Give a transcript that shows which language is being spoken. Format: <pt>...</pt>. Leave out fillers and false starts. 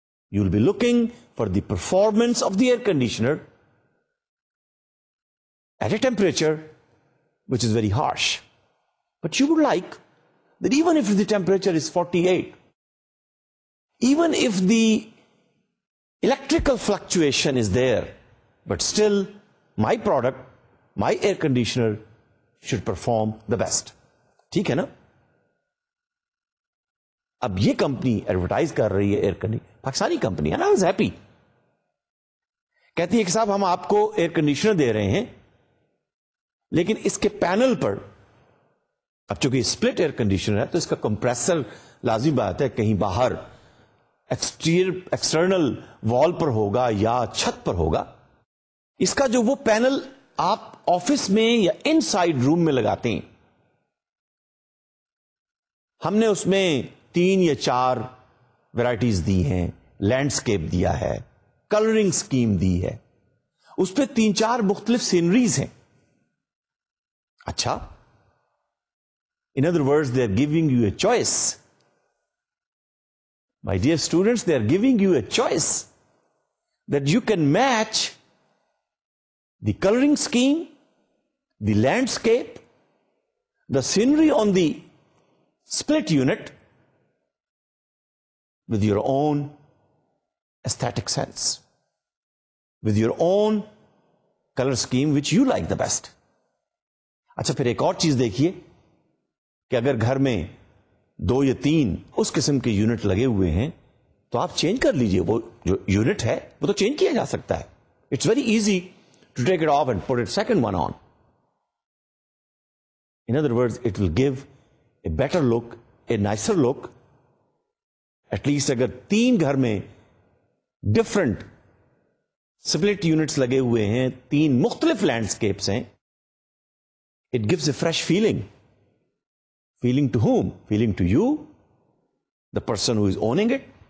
<en>You will be looking for the performance of the air conditioner at a temperature which is very harsh, but you would like that even if the temperature is 48, even if the electrical fluctuation is there, but still my product, my air conditioner should perform the best.</en> <ur>ٹھیک ہے نا. اب یہ company advertise کر رہی ہے air conditioner, Pakistani company ہے نا, از ہیپی, کہتی ہے کہ صاحب ہم آپ کو ایئر کنڈیشنر دے رہے ہیں لیکن اس کے پینل پر, اب چونکہ سپلٹ ایئر کنڈیشنر ہے تو اس کا کمپریسر لازمی بات ہے کہیں باہر ایکسٹیریئر ایکسٹرنل وال پر ہوگا یا چھت پر ہوگا. اس کا جو وہ پینل آپ آفس میں یا ان سائڈ روم میں لگاتے ہیں, ہم نے اس میں تین یا چار ویرائٹیز دی ہیں, لینڈسکیپ دیا ہے, کلرنگ سکیم دی ہے, اس پہ تین چار مختلف سینریز ہیں.</ur> <en>اچھا, in other words they are giving you a choice, my dear students, they are giving you a choice that you can match the colouring scheme, the landscape, the scenery on the split unit with your own aesthetic sense with your own color scheme which you like the best.</en> <ur>اچھا پھر ایک اور چیز دیکھیے کہ اگر گھر میں دو یا تین اس قسم کے یونٹ لگے ہوئے ہیں تو آپ چینج کر لیجئے, وہ جو یونٹ ہے وہ تو چینج کیا جا سکتا ہے.</ur> <en>It's very easy to take it off and put it second one on. In other words it will give a better look, a nicer look.</en> <ur>At least اگر تین گھر میں ڈفرنٹ سپلٹ یونٹس لگے ہوئے ہیں, تین مختلف لینڈسکیپس ہیں,</ur> <en>It gives a fresh feeling. Feeling to whom? Feeling to you, the person who is owning it.</en>